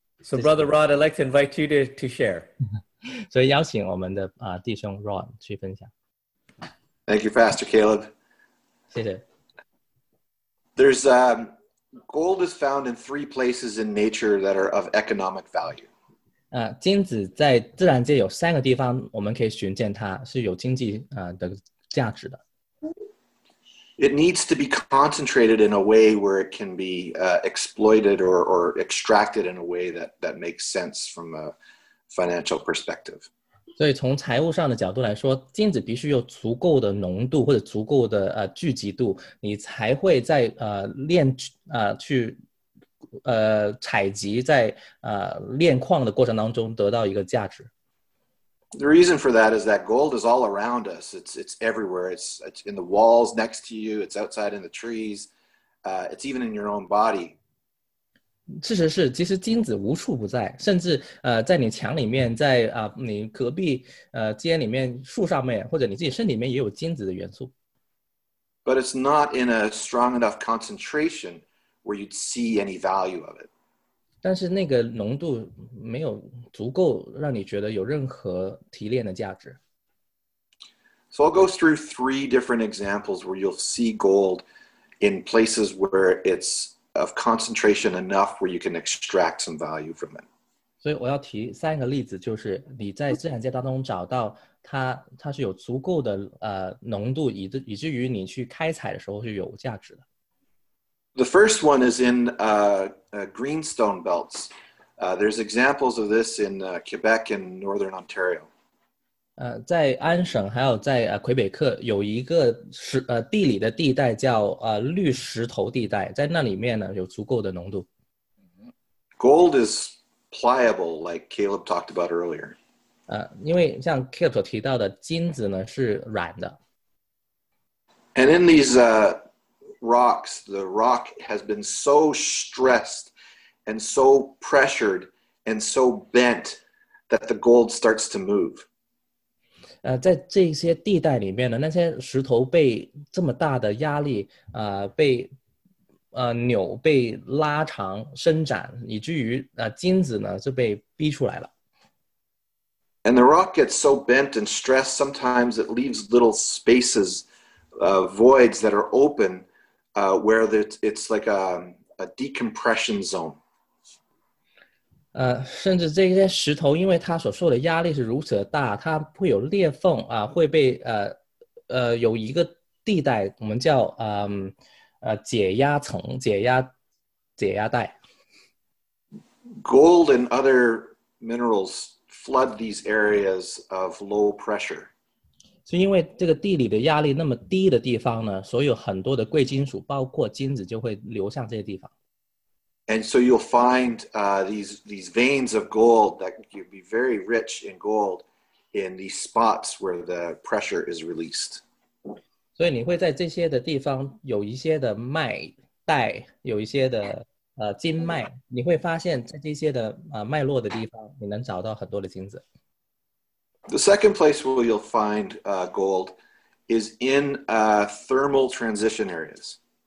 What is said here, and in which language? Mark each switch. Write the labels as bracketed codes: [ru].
[en] So brother Rod, I'd like to invite you to share. [zh] 所以邀请我们的弟兄 Rod 去分享。 [en] Thank you, Pastor Caleb. [zh] 谢谢。 [en] There's gold is found in three places in nature that are of economic value. [zh] 金子在自然界有三个地方我们可以寻见它是有经济的价值的。 [en] It needs to be concentrated in a way where it can be exploited or extracted in a way that makes sense from a financial perspective. [zh] 所以从财务上的角度来说，金子必须有足够的浓度或者足够的聚集度，你才会在炼去采集在炼矿的过程当中得到一个价值。 [en] The reason for that is that gold is all around us. It's everywhere. It's in the walls next to you. It's outside in the trees. It's even in your own body. [zh] 事实是，其实金子无处不在，甚至在你墙里面，在你隔壁街里面、树上面，或者你自己身体里面也有金子的元素。 [en] But it's not in a strong enough concentration where you'd see any value of it. [zh] 但是那个浓度没有足够让你觉得有任何提炼的价值。 [en] So I'll go through three different examples where you'll see gold in places where it'sof concentration enough where you can extract some value from it. [zh] 所以我要提三个例子，就是你在自然界当中找到它是有足够的浓度，以至于你去开采的时候是有价值的。 [en] The first one is in greenstone belts. There's examples of this in Quebec and Northern Ontario. [zh] 在安省还有在魁北克有一个地理的地带叫绿石头地带，在那里面呢有足够的浓度。 [en] Gold is pliable, like Caleb talked about earlier. [zh] 因为像 Caleb 所提到的，金子呢是软的。 [en] And in these rocks, the rock has been so stressed and so pressured and so bent that the gold starts to move. [zh] 在这些地带里面呢，那些石头被这么大的压力被扭被拉长伸展，以至于金子呢就被逼出来了。 [en] And the rock gets so bent and stressed, sometimes it leaves little spaces, voids that are open, where it's like a decompression zone. [zh] 甚至这些石头因为它所受的压力是如此的大，它会有裂缝会被有一个地带我们叫解压层解压带。 [en] Gold and other minerals flood these areas of low pressure. [zh] 是因为这个地理的压力那么低的地方呢，所以有很多的贵金属包括金子就会流向这些地方。 [en] And so you'll find these veins of gold that you'd be very rich in gold in these spots where the pressure is released. [zh] 所以你会在这些的地方有一些的脉带，有一些的经脉，你会发现在这些的脉络的地方，你能找到很多的金子。 [en] The second place where you'll find gold is in thermal transition areas.